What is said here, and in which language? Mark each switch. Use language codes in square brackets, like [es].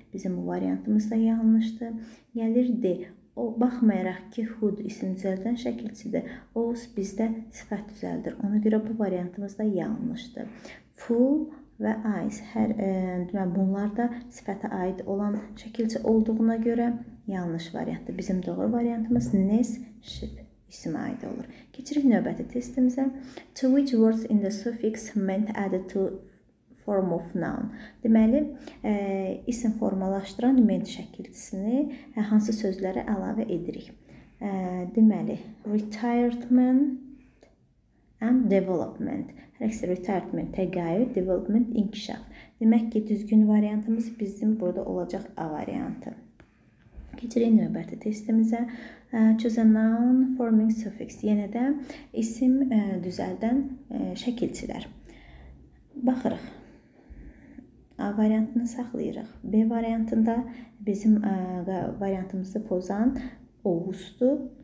[az] Bizim bu variantımız da yanlışdır. Gəlir D. O, baxmayaraq ki, hood isim düzəldən şəkilçidir. O's bizdə sifət düzəldir. Ona görə bu variantımız da yanlışdır. Full və eyes. Bunlar da sifətə aid olan şəkilçi olduğuna görə yanlış variantdır. Bizim doğru variantımız nes, ship isimə aid olur. Keçirik növbəti testimizə. [en] To which words in the suffix meant added to form of noun. [az] Deməli, isim formalaşdıran meant şəkilçisini hansı sözlərə əlavə edirik? [en] Deməli, retirement and development. [az] Hərəksi retirement, təqaüd, development, inkişaf. Demək ki, düzgün variantımız bizim burada olacaq A variantı. Keçirik növbəti testimizə. Choose a noun forming suffix. Yenə də isim düzəldən şəkilçilər. Baxırıq. A variantını saxlayırıq. B variantında bizim variantımızı pozan oğuzdur.